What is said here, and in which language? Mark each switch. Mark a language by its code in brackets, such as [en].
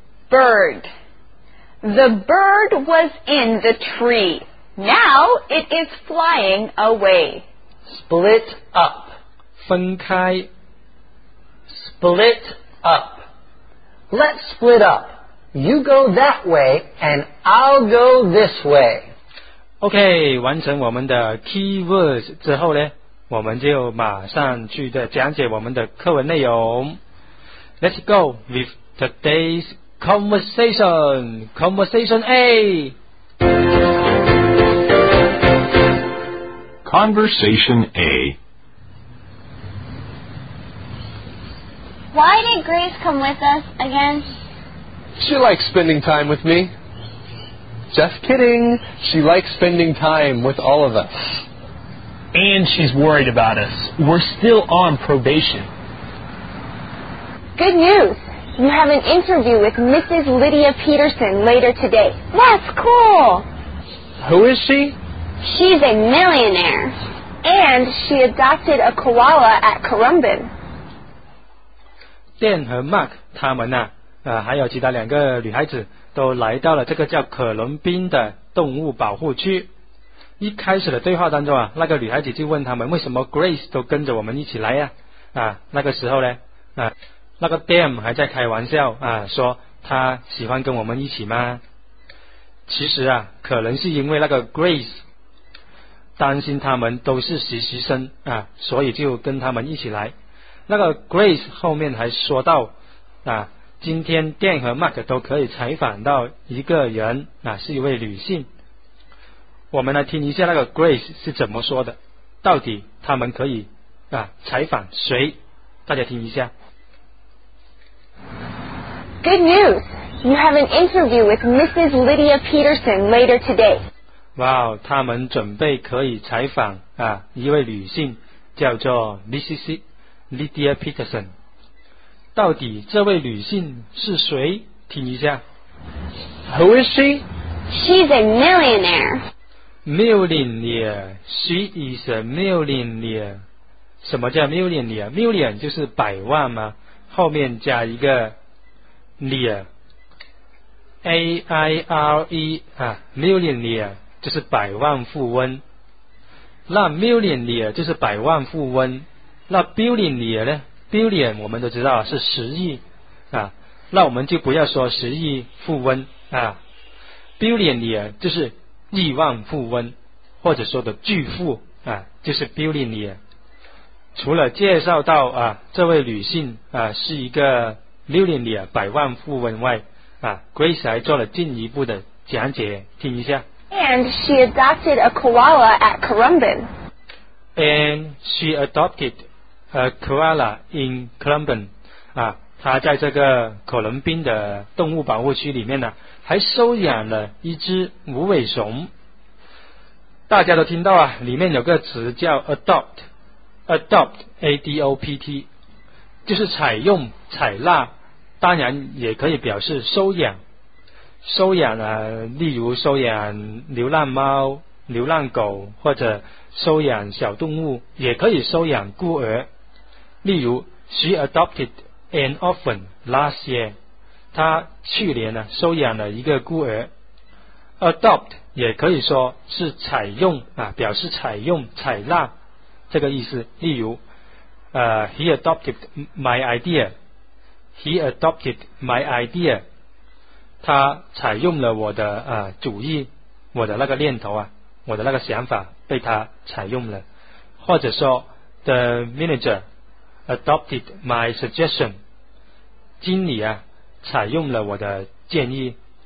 [en] Bird. The bird was in the tree. Now it is flying away. Split up. [zh] 分开 [en] Split up. Let's split up. You go that way and I'll go this way. [zh] OK, 完成我们的 keywords 之后呢，我们就马上去的讲解我们的课文内容。 [en] Let's go with today's conversation. Conversation A. Conversation A. Why did Grace come with us again? She likes spending time with me. Just kidding. She likes spending time with all of us. And she's worried about us. We're still on probation. Good news. You have an interview with Mrs. Lydia Peterson later today. That's cool. Who is she? She's a millionaire, and she adopted a koala at Currumbin. [zh] Dan 和 Mark 他们呢、还有其他两个女孩子都来到了这个叫可伦宾的动物保护区。一开始的对话当中啊，那个女孩子就问他们为什么 Grace 都跟着我们一起来呀、那个时候呢、那个 Dan 还在开玩笑、说他喜欢跟我们一起吗？其实啊，可能是因为那个 Grace担心他们都是实习生啊，所以就跟他们一起来。那个 Grace 后面还说到啊，今天 Dan 和 Mark 都可以采访到一个人啊，是一位女性。我们来听一下那个 Grace 是怎么说的，到底他们可以啊采访谁？大家听一下。 [en] Good news, you have an interview with Mrs. Lydia Peterson later today. [zh] 哇、wow, 他们准备可以采访啊一位女性叫做 Mrs. Lydia Peterson。 到底这位女性是谁？听一下。 [en] Who is she? She's a millionaire. Millionaire. She is a millionaire. [zh] 什么叫 millionaire? Million 就是百万吗？后面加一个 near. A-I-R-E, 啊 millionaire. 就是百万富翁，那 millionaire 就是百万富翁，那 billionaire 呢？ billion 我们都知道是十亿啊，那我们就不要说十亿富翁啊， billionaire 就是亿万富翁，或者说的巨富啊，就是 billionaire。除了介绍到啊这位女性啊是一个 millionaire 百万富翁外啊， Grace 还做了进一步的讲解，听一下。 [en] And she adopted a koala at Currumbin. And she adopted a koala in Currumbin. [zh] 啊，她在这个可伦宾的动物保护区里面呢，还收养了一只无尾熊。大家都听到啊，里面有个词叫 adopt， adopt， A-D-O-P-T， 就是采用、采纳，当然也可以表示收养。收养啊，例如收养流浪猫、流浪狗，或者收养小动物，也可以收养孤儿。例如 [en] ，She adopted an orphan last year。 [zh] 她去年呢、啊、收养了一个孤儿。Adopt 也可以说是采用啊，表示采用、采纳这个意思。 [en] 例如，He adopted my idea。 He adopted my idea。 [zh] 他采用了我的主意，我的那个念头啊，我的那个想法被他采用了。或者说 [en] ，The manager adopted my suggestion。 [zh] 经理啊，采用了我的建议。